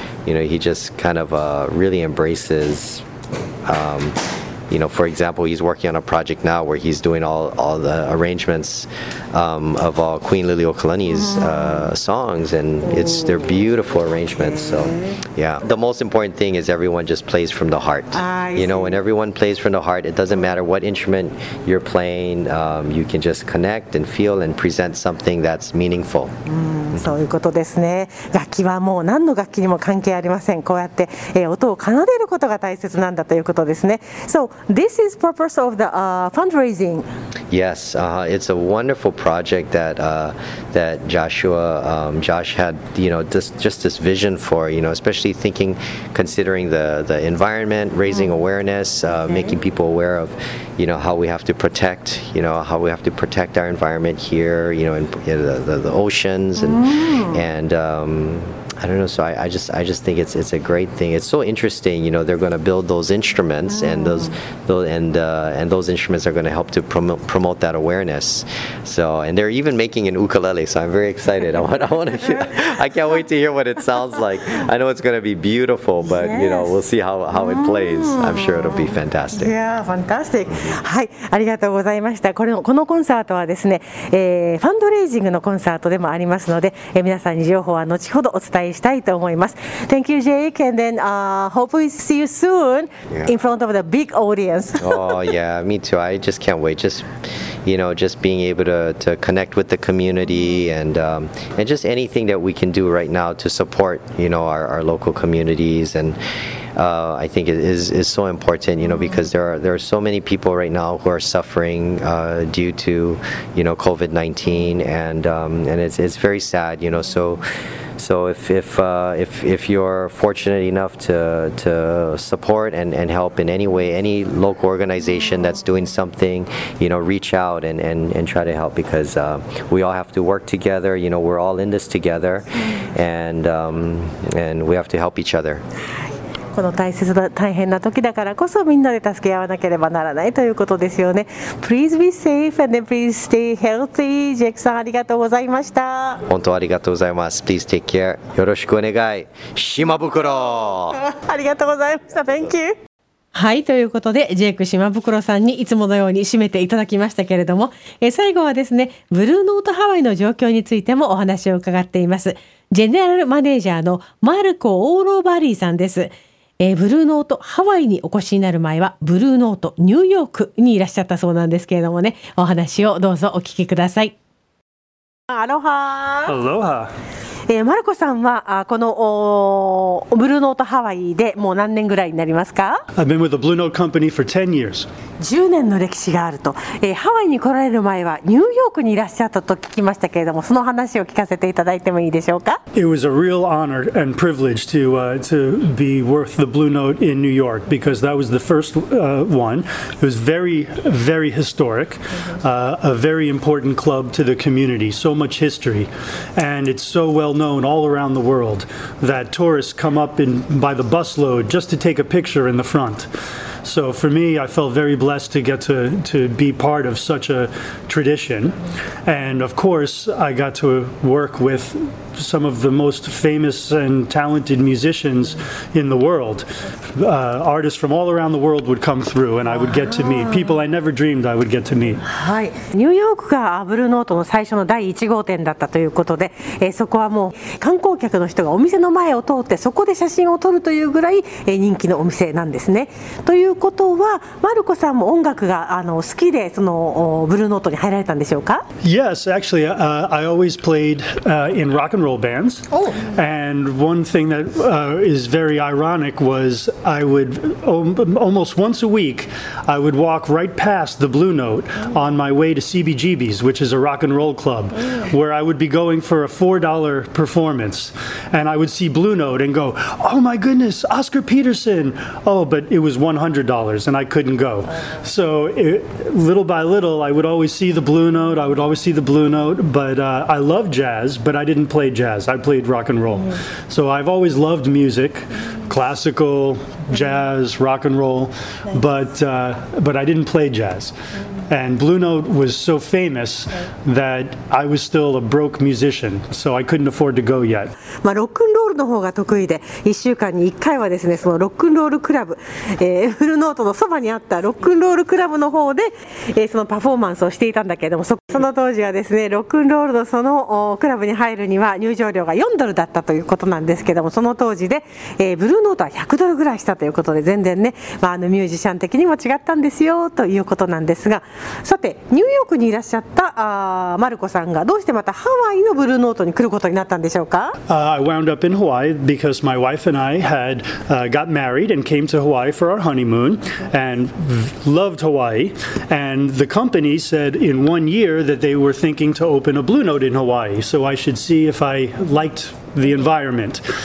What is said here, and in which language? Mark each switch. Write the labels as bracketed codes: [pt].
[en] He just kind of really embraces. For example, he's working on a project now where he's doing all the arrangements of all Queen Liliuokalani's songs, and they're beautiful arrangements. So, yeah. The most important thing is everyone just plays from the heart. When everyone plays from the heart, it doesn't matter what instrument you're playing, you can just connect and feel and present something that's meaningful. [ja] そういうことですね。楽器はもう何の楽器にも関係ありません。こうやって、音を奏でることが大切なんだということですね。 [en] So, this is purpose of the fundraising. Yes, it's a wonderful project that that Joshua, Josh had, just this vision for, especially thinking, considering the environment, raising awareness, making people aware of, how we have to protect, how we have to protect our environment here, in the oceans and I don't know. So I just think it's a great thing. It's so interesting. They're going to build those instruments, and those instruments are going to help to promote that awareness. So, and they're even making an ukulele. So I'm very excited. I can't wait to hear what it sounds like. I know it's going to be beautiful, but we'll see how it plays. I'm sure it'll be fantastic. Yeah, fantastic. [ja] はい、ありがとうございました。このコンサートはですね、ファンドレイジングのコンサートでもありますので、皆さんに情報は後ほどお伝え。 [en] Thank you, Jake, and then hopefully see you soon in front of the big audience. Oh yeah, me too. I just can't wait. Just being able to connect with the community and just anything that we can do right now to support our local communities and. I think it is so important, because there are so many people right now who are suffering due to, COVID-19, and it's very sad, So if you're fortunate enough to support and help in any way, any local organization that's doing something, reach out and try to help, because we all have to work together. We're all in this together, and we have to help each other. [ja] この大切な大変な時だからこそみんなで助け合わなければならないということですよね。 [en] Please be safe and then please stay healthy. [ja] ジェイクさん、ありがとうございました。本当ありがとうございます。 [en] Please take care. [ja] よろしくお願い。島袋ありがとうございました。 [en] Thank you. [ja] はい、ということでジェイク島袋さんにいつものように締めていただきましたけれども、最後はですね、ブルーノートハワイの状況についてもお話を伺っています。ジェネラルマネージャーのマルコ・オーロバリーさんです。ブルーノートハワイにお越しになる前はブルーノートニューヨークにいらっしゃったそうなんですけれどもね、お話をどうぞお聞きください。アロハ。アロハ。マルコさんはこのブルーノートハワイでもう何年ぐらいになりますか？ [en] I've been with the Blue Note Company for 10 years. [ja] 10年の歴史があると、ハワイに来られる前はニューヨークにいらっしゃったと聞きましたけれども、その話を聞かせていただいてもいいでしょうか。 [en] It was a real honor and privilege to, to be worth the Blue Note in New York because that was the first, one. It was very, very historic, a very important club to the community, so much history. And it's so well known all around the world that tourists come up in, by the busload just to take a picture in the front. So for me, I felt very blessed to get to be part of such a tradition. And of course, I got to work with some of the most famous and talented musicians in the world. Artists from all around the world would come through and I would get to meet. People I never dreamed I would get to meet. [ja] はい。ニューヨークがブルーノートの最初の第1号店だったということで、そこはもう観光客の人がお店の前を通ってそこで写真を撮るというぐらい、人気のお店なんですね。ということは、マルコさんも音楽が好きでそのブルーノートに入られたんでしょうか? [en] Yes, actually, I always played, in rock and roll bands. Oh. And one thing that, is very ironic was I would, almost once a week, I would walk right past the Blue Note on my way to CBGB's, which is a rock and roll club, where I would be going for a $4 performance. And I would see Blue Note and go, oh my goodness, Oscar Peterson! Oh, but it was $100 and I couldn't go. So it, little by little, I would always see the Blue Note, I would always see the Blue Note, but, I love jazz, but I didn't play jazz. I played rock and roll. So I've always loved music, classical, jazz, rock and roll, but I didn't play jazz. And Blue Note was so famous that I was still a broke musician, so I couldn't afford to go yet. [ja] まあ、ロックンロールの方が得意で、1週間に1回はですね、そのロックンロールクラブ、ブルーノートのそばにあったロックンロールクラブの方で、そのパフォーマンスをしていたんだけれども、その当時はですね、ロックンロールのそのクラブに入るには入場料が4ドルだったということなんですけれども、その当時で、ブルーノートは100ドルぐらいしたということで、全然ね、まあ、ミュージシャン的にも違ったんですよということなんですが、さてニューヨークにいらっしゃったマルコさんがどうしてまたハワイのブルーノートに来ることになったんでしょうか? [en] I wound up in Hawaii because my wife and I had, got married and came to Hawaii for our honeymoon and loved Hawaii and the company said in one year that they were thinking to open a Blue Note in Hawaii so I should see if I likedthe environment.